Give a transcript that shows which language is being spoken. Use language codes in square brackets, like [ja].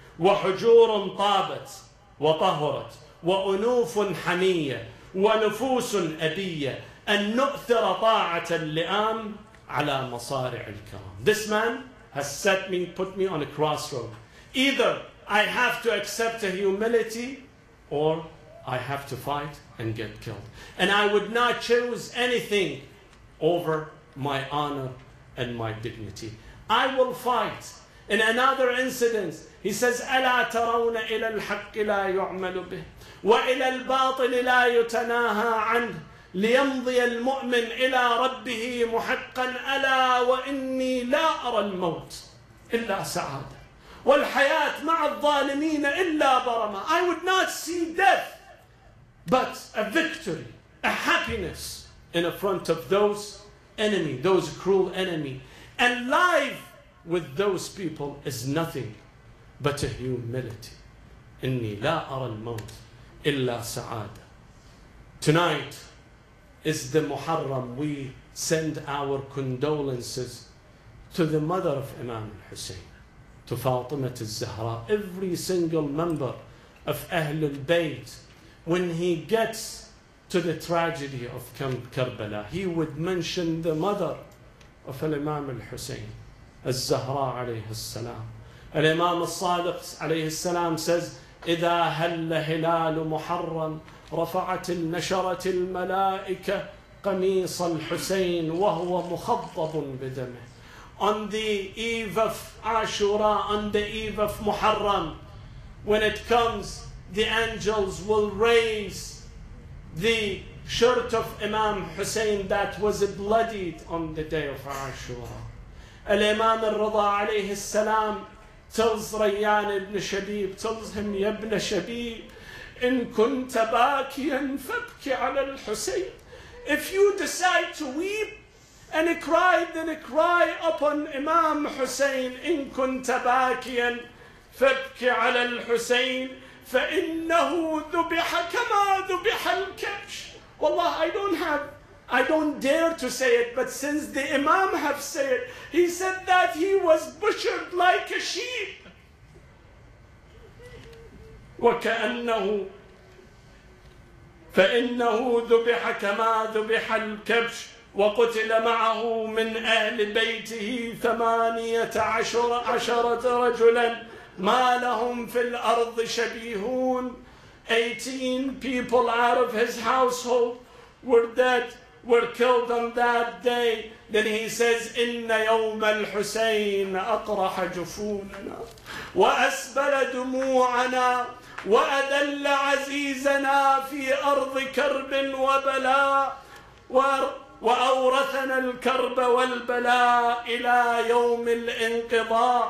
[ar] وحجور طابت وطهرت وأنوف حمية ونفوس أبية أن نؤثر طاعة اللئام على مصارع الكرام." [en] This man has set me, put me on a crossroad. Either I have to accept a humility or I have to fight and get killed. And I would not choose anything over my honor and my dignity. I will fight. In another incident, he says, [ar] أَلَا تَرَوْنَ إِلَى الْحَقِّ لَا يُعْمَلُ بِهِ وَإِلَى الْبَاطِلِ لَا يُتَنَاهَا عَنْهِ لِيَمْضِيَ الْمُؤْمِنِ إِلَى رَبِّهِ مُحَقًّا أَلَا وَإِنِّي لَا أَرَى الْمَوْتِ إِلَّا سَعَادًا وَالْحَيَاةِ مَعَ الظَّالِمِينَ إِلَّا بَرَمًا. [en] I would not see death, but a victory, a happiness in front of those enemy, those cruel enemy. And life with those people is nothing but a humility. [ar] إِنِّي لَا أَرَى الْمَوْتِ إِلَّا سَعَادًا. [en] Tonight is the Muharram. We send our condolences to the mother of Imam Hussein, to Fatima al-Zahra. Every single member of Ahlul Bayt, when he gets to the tragedy of Karbala, he would mention the mother of Imam Hussein, al-Zahra alayhi salam. [ar] الإمام الصادق عليه السلام [en] says, [ar] إذا هل هلال محرم رفعت النشرة الملائكة قميص الحسين وهو مخضب بدمه. [en] On the eve of Ashura, on the eve of Muharram, when it comes, the angels will raise the shirt of Imam Hussein that was bloodied on the day of Ashura. [ar] الإمام الرضا عليه السلام تلص ريان ابن شبيب، تلصهم يا ابن شبيب إن كنت باكيا فابكي على الحسين. [en] If you decide to weep and cry, then cry upon Imam Hussein. [ar] إن كنت باكيا فابكي على الحسين فإنه ذبح كما ذبح الكبش. [en] والله I don't dare to say it, but since the Imam have said it, he said that he was butchered like a sheep. [ar] وكأنه فإنه ذبح كما ذبح الكبش وقتل معه من أهل بيته 18 رجلا ما لهم في الأرض شبيهون. [en] 18 people out of his household were dead, were killed on that day. Then he says, [ar] إن يوم الحسين أقرح جفوننا وأسبل دموعنا وأذل عزيزنا في أرض كرب وبلاء وأورثنا الكرب والبلاء إلى يوم الانقضاء.